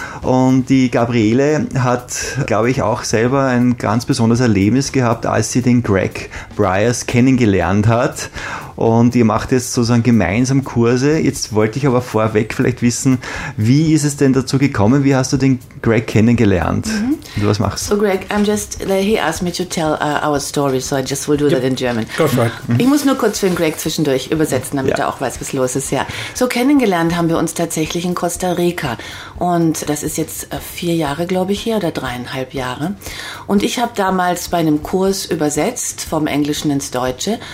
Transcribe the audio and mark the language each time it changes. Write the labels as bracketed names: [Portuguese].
[German] Und die Gabriele hat, glaube ich, auch selber ein ganz besonderes Erlebnis gehabt, als sie den Greg Bryers kennengelernt hat. Und ihr macht jetzt sozusagen gemeinsam Kurse. Jetzt wollte ich aber vorweg vielleicht wissen, wie ist es denn dazu gekommen? Wie hast du den Greg kennengelernt? Mm-hmm. Und was machst du? [English] So Greg, he asked me to tell our story, so I just will do that in German. Go for it. Mm-hmm. [German] Ich muss nur kurz für den Greg zwischendurch übersetzen, damit er auch weiß, was los ist. Ja. So kennengelernt haben wir uns tatsächlich in Costa Rica. Und das ist jetzt 4 Jahre, glaube ich, hier, oder 3,5 Jahre. Und ich habe damals bei einem Kurs übersetzt, vom Englischen ins Deutsche.